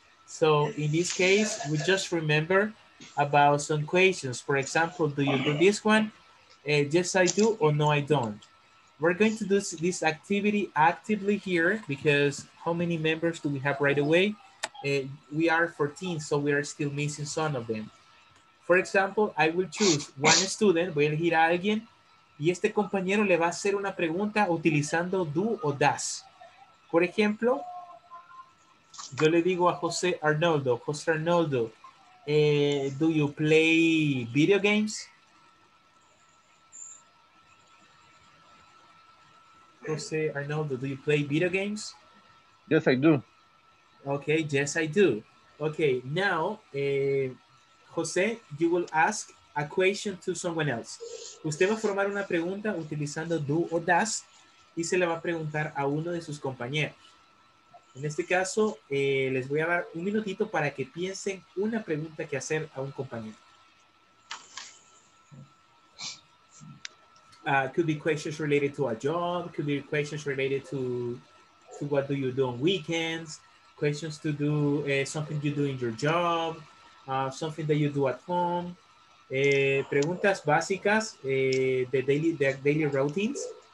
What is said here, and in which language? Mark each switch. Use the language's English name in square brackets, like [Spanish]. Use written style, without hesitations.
[English] So in this case, we just remember about some questions. For example, do you do this one? Yes, I do, or no, I don't. We're going to do this activity actively here because how many members do we have right away? We are 14, so we are still missing some of them. For example, I will choose one student, [Spanish] voy a elegir a alguien, y este compañero le va a hacer una pregunta utilizando do o das. Por ejemplo, yo le digo a José Arnoldo, [English] do you play video games? José Arnoldo, do you play video games? Yes, I do. Okay, yes, I do. Okay, now, José, you will ask a question to someone else. [Spanish] Usted va a formar una pregunta utilizando do o das y se le va a preguntar a uno de sus compañeros. En este caso, les voy a dar un minutito para que piensen una pregunta que hacer a un compañero. [English] could be questions related to a job, could be questions related to what do you do on weekends, questions to do something you do in your job, something that you do at home, [Spanish] preguntas básicas, [English] the daily routines.